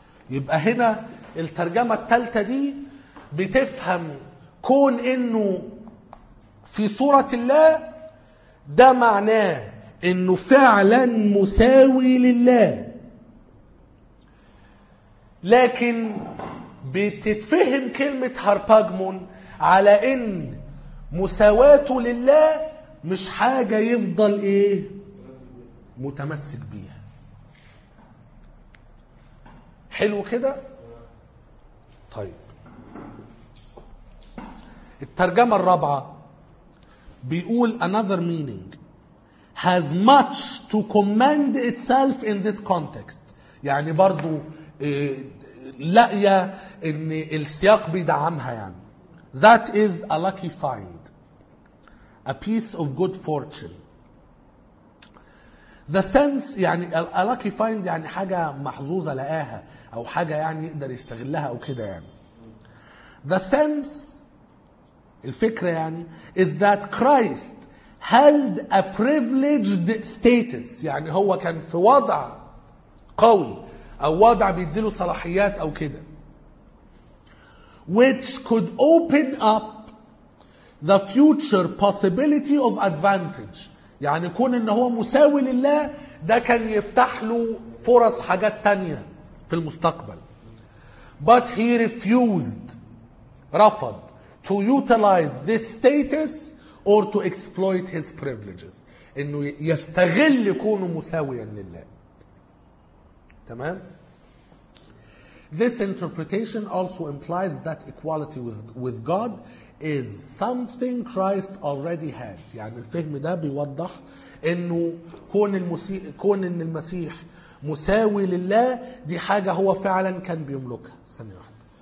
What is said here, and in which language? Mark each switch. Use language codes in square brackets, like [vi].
[ar] يبقى هنا الترجمة الثالثة دي بتفهم كون انه في صورة الله ده معناه انه فعلا مساوي لله، لكن بتتفهم كلمة هارباجمون على ان مساواته لله مش حاجة يفضل ايه متمسك بيها. حلو كده؟ طيب الترجمة الرابعة بيقول [en] another meaning has much to commend itself in this context، [ar] يعني برضو لقية ان السياق بيدعمها، يعني [en] that is a lucky find a piece of good fortune. The sense [ar] يعني [en] a lucky find [ar] يعني حاجة محظوظة لقاها او حاجة يعني يقدر يستغلها او كده. يعني [en] the sense [ar] الفكرة يعني [en] is that Christ held a privileged status، [ar] يعني هو كان في وضع قوي أو وضع بيديله صلاحيات أو كده، [en] which could open up the future possibility of advantage، [ar] يعني كون إن هو مساوي لله ده كان يفتح له فرص حاجات تانية في المستقبل. [en] But he refused، [ar] رفض [en] to utilize this status or to exploit his privileges، [ar] انه يستغل كونه مساويا لله. تمام. [en] This interpretation also implies that equality with God is something Christ already had، [ar] يعني الفهم ده بيوضح انه كون ان المسيح مساوي لله دي حاجة هو فعلا كان بيملكها. ثانية واحدة.